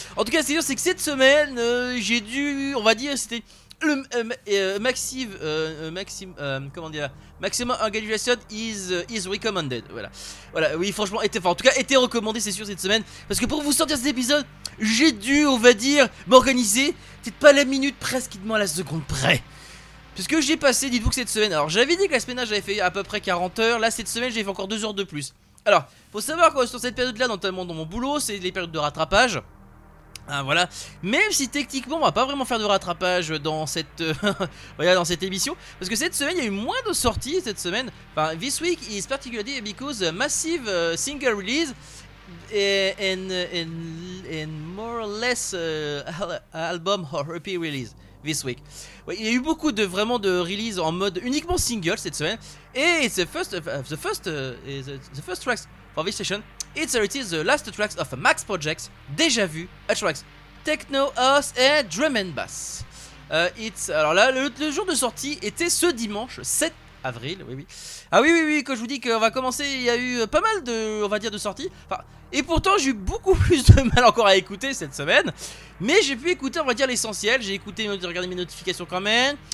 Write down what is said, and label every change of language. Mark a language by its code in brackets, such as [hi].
[fr] En tout cas, c'est sûr, c'est que cette semaine, j'ai dû, on va dire, c'était le [en] maximum engagement is recommended, [fr] voilà, oui, franchement, était recommandé, c'est sûr, cette semaine, parce que pour vous sortir cet épisode, j'ai dû, on va dire, m'organiser, peut-être pas la minute presque, dites-moi la seconde près, parce que j'ai passé, dites-vous que cette semaine, alors j'avais dit que la semaine j'avais fait à peu près 40 heures, là, cette semaine, j'ai fait encore 2 heures de plus. Alors, faut savoir quoi, sur cette période-là, notamment dans mon boulot, c'est les périodes de rattrapage. Ah, voilà, même si techniquement on va pas vraiment faire de rattrapage dans cette voilà, dans cette émission, parce que cette semaine il y a eu moins de sorties cette semaine. [en] Enfin, this week is particularly because massive single release and more or less album or EP release this week. [fr] Ouais, il y a eu beaucoup de vraiment de release en mode uniquement single cette semaine. [en] Et the first tracks for this session. It's the last tracks of Max Projects, Déjà Vu, tracks Techno House et Drum and Bass. [fr] Alors là, le jour de sortie était ce dimanche 7 avril. Oui, oui. Ah oui, oui, oui, quand je vous dis qu'on va commencer, il y a eu pas mal de, on va dire, de sorties. Enfin, et pourtant, j'ai eu beaucoup plus de mal encore à écouter cette semaine. Mais j'ai pu écouter, on va dire, l'essentiel. J'ai écouté, regardé mes notifications quand même.